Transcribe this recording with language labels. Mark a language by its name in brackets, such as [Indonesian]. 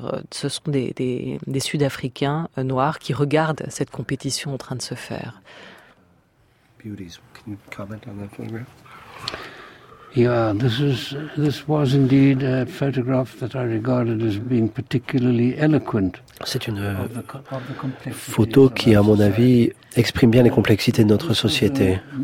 [French] Ce sont des Sud-Africains noirs qui regardent cette compétition en train de se faire. [English] Beauties, can you comment on that photograph? Yeah, this was indeed a photograph that I regarded as being particularly eloquent. [French] C'est une photo qui, à mon avis, exprime bien les complexités de notre société.